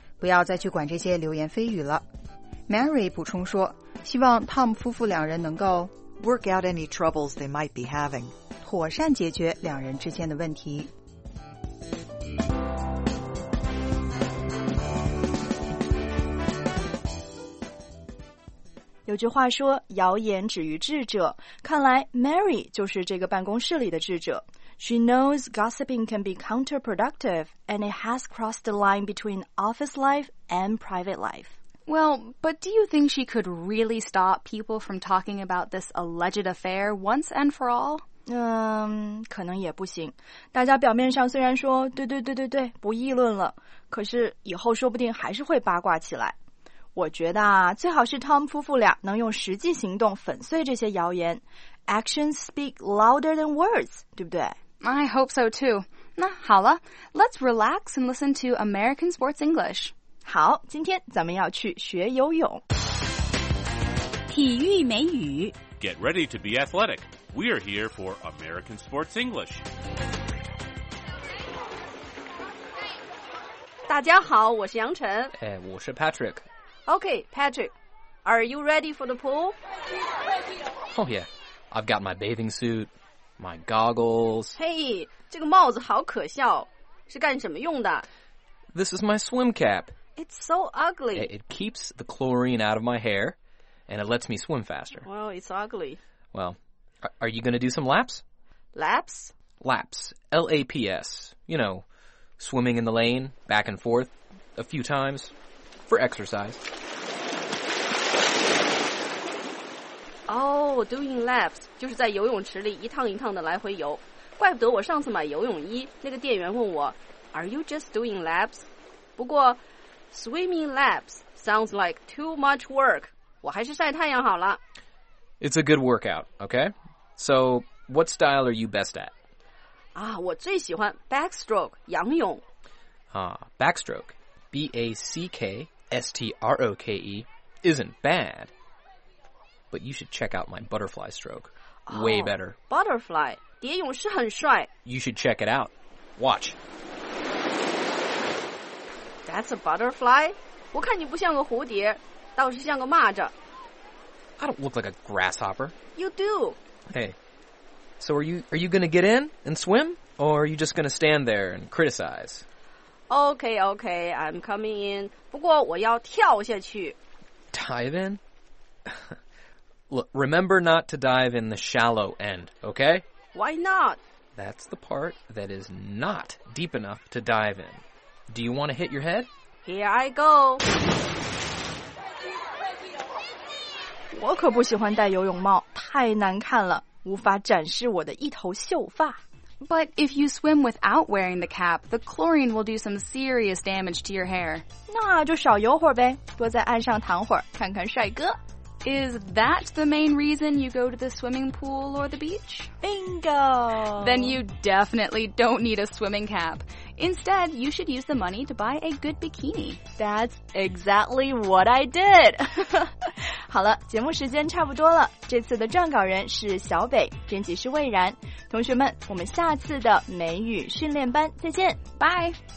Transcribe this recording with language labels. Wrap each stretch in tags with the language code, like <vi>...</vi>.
<zh>不要再去管这些流言蜚语了。 Mary 补充说，希望 Tom 夫妇两人能够</zh> <en>work out any troubles they might be having.</en> <zh>妥善解决两人之间的问题。有句话说，谣言止于智者。看来 Mary 就是这个办公室里的智者。</zh> <en>She knows gossiping can be counterproductive, and it has crossed the line between office life and private life. Well, but do you think she could really stop people from talking about this alleged affair once and for all?</en> <zh>可能也不行。大家表面上虽然说对对对对对不议论了，可是以后说不定还是会八卦起来。我觉得啊，最好是 Tom 夫妇俩能用实际行动粉碎这些谣言。</zh> <en>Actions speak louder than words,</en> <zh>对不对？</zh> <en>I hope so too.</en> <zh>那好了，</zh> <en>let's relax and listen to American Sports English.</en> <zh>好，今天咱们要去学游泳。体育美语。</zh> <en>Get ready to be athletic. We are here for American Sports English.</en> <zh>大家好，我是杨晨。哎，我是 Patrick.</zh> <en>Okay, Patrick, are you ready for the pool? Oh yeah, I've got my bathing suit, my goggles. Hey,</en> <zh>这个帽子好可笑，是干什么用的？</zh> <en>This is my swim cap. It's so ugly. It keeps the chlorine out of my hair, and it lets me swim faster. Well, it's ugly. Well... Are you going to do some laps? Laps? Laps. L-A-P-S. You know, swimming in the lane, back and forth, a few times, for exercise. Oh, doing laps.</en> <zh>就是在游泳池里一趟一趟的来回游。怪不得我上次买游泳衣，那个店员问我</zh> <en>Are you just doing laps?</en> <zh>不过</zh> <en>swimming laps sounds like too much work.</en> <zh>我还是晒太阳好了。</zh> <en>It's a good workout, okay? So, what style are you best at?</en> <zh>Ah, 我最喜欢 backstroke, 仰泳。</zh> <en>Ah, backstroke, B-A-C-K-S-T-R-O-K-E, isn't bad. But you should check out my butterfly stroke. Way better.</en> <zh>Butterfly, 蝶泳是很帅。</zh> <en>You should check it out. Watch. That's a butterfly?</en> <zh>我看你不像个蝴蝶，倒是像个蚂蚱。</zh> <en>I don't look like a grasshopper. You do. Hey, so are you going to get in and swim, or are you just going to stand there and criticize? Okay, okay, I'm coming in.</en> <zh>不过我要跳下去。</zh> <en>Dive in? Look, remember not to dive in the shallow end, okay? Why not? That's the part that is not deep enough to dive in. Do you want to hit your head? Here I go.</en> <zh>我可不喜欢戴游泳帽，太难看了。无法展示我的一头秀发。</zh> <en>But if you swim without wearing the cap, the chlorine will do some serious damage to your hair.</en> <zh>那就少游会儿呗，多在岸上躺会儿，看看帅哥。</zh> <en>Is that the main reason you go to the swimming pool or the beach? Bingo! Then you definitely don't need a swimming cap. Instead, you should use the money to buy a good bikini. That's exactly what I did.</en> <zh>好了，节目时间差不多了。这次的撰稿人是小北，编辑是魏然。同学们，我们下次的美语训练班再见，拜。</zh>